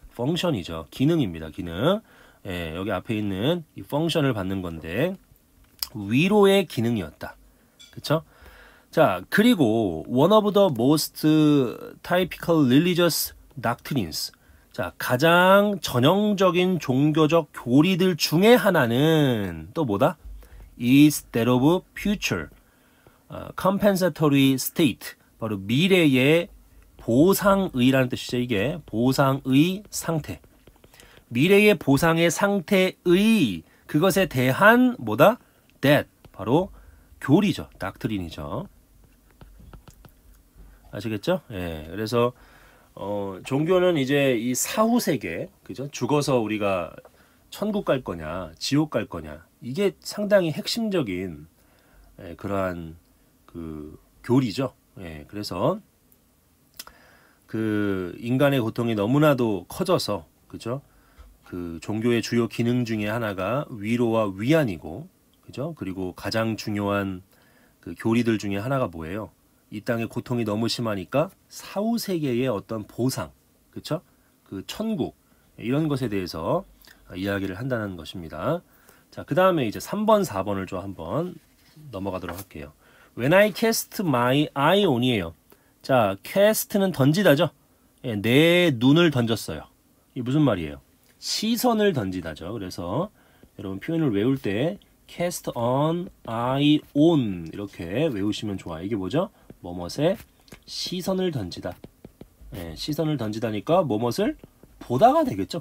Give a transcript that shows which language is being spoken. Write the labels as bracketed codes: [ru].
[ko] function이죠. 기능입니다. 기능. 예, 여기 앞에 있는 이 function을 받는 건데, 위로의 기능이었다. 그쵸? 자, 그리고 [en] one of the most typical religious doctrines. [ko] 자, 가장 전형적인 종교적 교리들 중에 하나는 또 뭐다? [en] is that of future, compensatory state. [ko] 바로 미래의 보상의라는 뜻이죠. 이게 보상의 상태. 미래의 보상의 상태의 그것에 대한 뭐다? that. 바로 교리죠. 닥트린이죠. 아시겠죠? 예. 그래서 종교는 이제 이 사후 세계, 그죠? 죽어서 우리가 천국 갈 거냐, 지옥 갈 거냐, 이게 상당히 핵심적인 예, 그러한 그 교리죠. 예, 그래서 그 인간의 고통이 너무나도 커져서, 그죠? 그 종교의 주요 기능 중에 하나가 위로와 위안이고, 그죠? 그리고 가장 중요한 그 교리들 중에 하나가 뭐예요? 이 땅의 고통이 너무 심하니까 사후 세계의 어떤 보상, 그쵸? 그 천국 이런 것에 대해서 이야기를 한다는 것입니다. 자, 그 다음에 이제 3번, 4번을 좀 한번 넘어가도록 할게요. [en] When I cast my eye on이에요. [ko] 자, cast는 던지다죠. 예, 내 눈을 던졌어요. 이게 무슨 말이에요? 시선을 던지다죠. 그래서 여러분 표현을 외울 때 cast on, eye on 이렇게 외우시면 좋아요. 이게 뭐죠? 뭐뭇에 시선을 던지다. 예, 시선을 던지다니까 뭐뭐을 보다가 되겠죠.